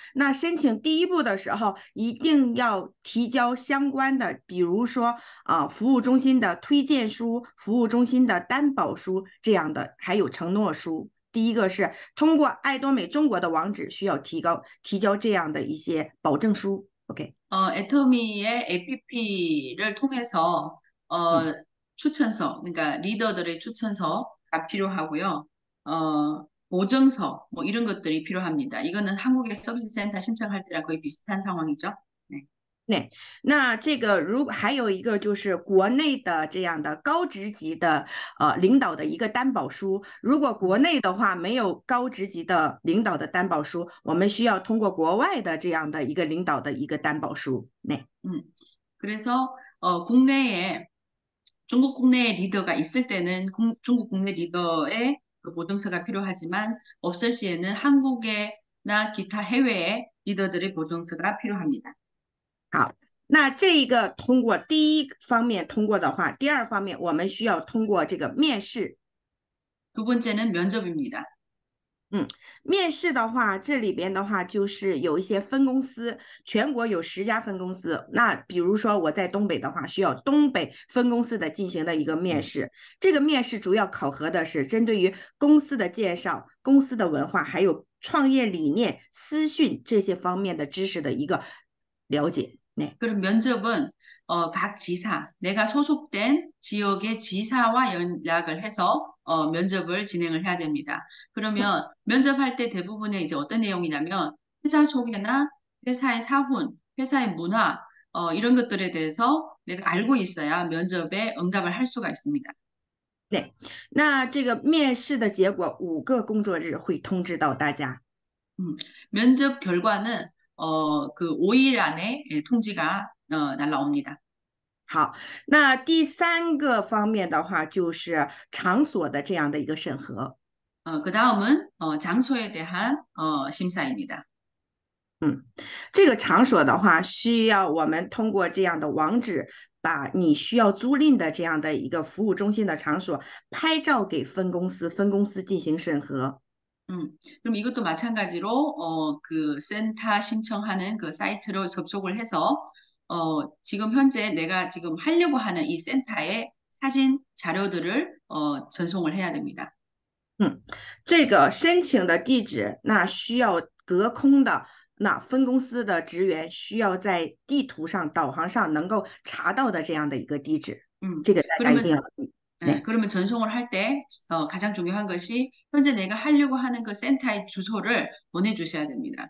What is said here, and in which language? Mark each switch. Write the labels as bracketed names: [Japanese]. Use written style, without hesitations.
[Chinese] 那申请第一步的时候，一定要提交相关的，比如说服务中心的推荐书、服务中心的担保书这样的，还有承诺书。第一个是通过爱多美中国的网址需要提交这样的一些保证书。 OK。 [Korean] 애터미의 APP를 통해서 추천서, 그러니까 리더들의 추천서가 필요하고요. 보증서 뭐 이런 것들이 필요합니다. 이거는 한국의 서비스센터 신청할 때랑 거의 비슷한 상황이죠. [Chinese] 네, 那这个如果还有一个就是国内的这样的高职级的领导的一个担保书，如果国内的话没有高职级的领导的担保书，我们需要通过国外的这样的一个领导的一个担保书，那。 [Korean] 그래서 국내에 중국 국내 리더가 있을 때는 중국 국내 리더의 그 보증서가 필요하지만 없을 시에는 한국이나 기타 해외의 리더들의 보증서가 필요합니다. [Chinese] 好，那这一个通过第一方面通过的话，第二方面我们需要通过这个面试。 [Korean] 두 번째는 면접입니다. [Chinese] 面试的话，这里边的话就是有一些分公司，全国有10家分公司。那比如说我在东北的话，需要东北分公司的进行的一个面试。这个面试主要考核的是针对于公司的介绍、公司的文化，还有创业理念、思训这些方面的知识的一个了解。 [Korean] 그럼 면접은 각 지사, 내가 소속된 지역의 지사와 연락을 해서 면접을 진행을 해야 됩니다. 그러면 면접할 때 대부분의 이제 어떤 내용이냐면 회사 소개나 회사의 사훈, 회사의 문화 이런 것들에 대해서 내가 알고 있어야 면접에 응답을 할 수가 있습니다. [Chinese] 네, 那这个面试的结果5个工作日会通知到大家。 [Korean] 면접 결과는 그 5일 안에 통지가 날라옵니다. [Chinese] 好，那第三个方面的话就是场所的这样的一个审核。 [Korean] 그 다음은 장소에 대한 심사입니다. [Chinese] 这个场所的话需要我们通过这样的网址。把你需要租赁的这样的一个服务中心的场所拍照给分公司，分公司进行审核。 [Korean] 그럼 이것도 마찬가지로 그 센터 신청하는 그 사이트로 접속을 해서 지금 현재 내가 지금 하려고 하는 이 센터의 사진 자료들을 전송을 해야 됩니다. [Chinese] 这个申请的地址，那需要隔空的。那分公司的职员需要在地图上、导航上能够查到的这样的一个地址，这个大家一定要注意。 [Korean] 그러면 전송을 할때 가장 중요한 것이 현재 내가 하려고 하는 그 센터의 주소를 보내주셔야 됩니다.